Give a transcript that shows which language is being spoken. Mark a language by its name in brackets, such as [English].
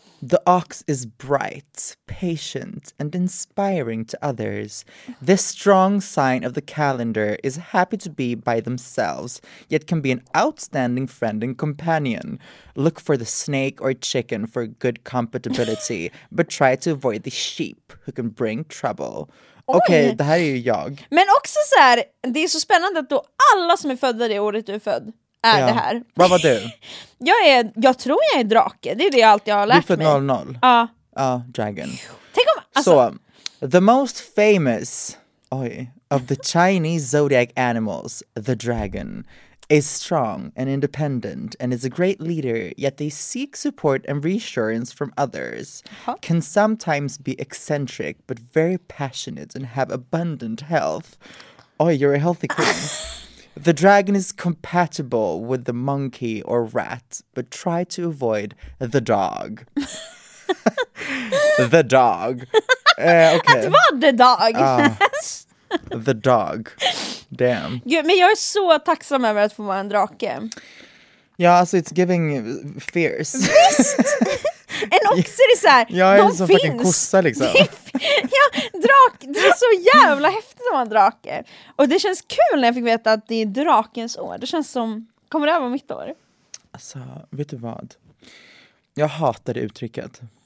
[English] The ox is bright, patient and inspiring to others. This strong sign of the calendar is happy to be by themselves, yet can be an outstanding friend and companion. Look for the snake or chicken for good compatibility, but try to avoid the sheep who can bring trouble. [Swedish] Okej, okay, det här är ju jag. Men också så här, det är så spännande att då alla som är födda det året du är född. Är det här. Vad var du? Jag tror jag är drake. Det är det jag alltid har lärt mig. 00. Ja. Ja, dragon. Tänk om, alltså. [English] Så, the most famous of the Chinese zodiac animals, the dragon, is strong and independent and is a great leader, yet they seek support and reassurance from others. Uh-huh. Can sometimes be eccentric, but very passionate and have abundant health. [Swedish] Oj, [English] you're a healthy queen. The dragon is compatible with the monkey or rat, but try to avoid the dog. The dog. Okay. [Swedish] Att vara [English] the dog. The dog. Damn. [Swedish] Gud, men jag är så tacksam över att få vara en drake. Ja, alltså [English] it's giving fierce. [Swedish] Visst! En oxe är så här, jag är de som [English] finns. Fucking [Swedish] kossa liksom. Ja, drak, det är så jävla häftigt att vara en drake. Och det känns kul när jag fick veta att det är drakens år. Det känns som, kommer det här vara mitt år? Alltså, vet du vad? Jag hatar det uttrycket.